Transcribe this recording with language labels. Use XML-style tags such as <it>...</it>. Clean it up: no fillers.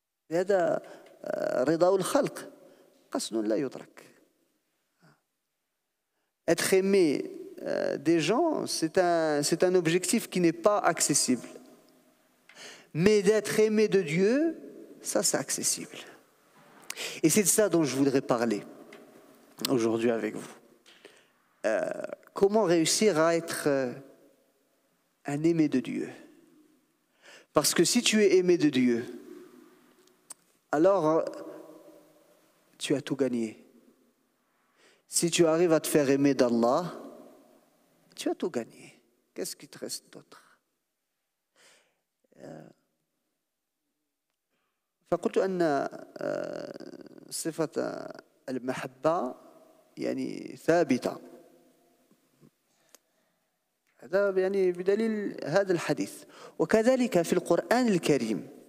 <ar>هذا رضا الخلق قصد لا يدرك.</ar> <fr>Être aimé des gens, c'est un objectif qui n'est pas accessible. Mais d'être aimé de Dieu, ça c'est accessible. Et c'est de ça dont je voudrais parler aujourd'hui avec vous. Comment réussir à être un aimé de Dieu? Parce que si tu es aimé de Dieu, alors, tu as tout gagné. Si tu arrives à te faire aimer d'Allah, tu as tout gagné. Qu'est-ce qui te reste d'autre?</fr> <ar>فقلت أن صفة المحبة يعني ثابتة. هذا يعني بدليل هذا الحديث. وكذلك في القرآن الكريم.</ar>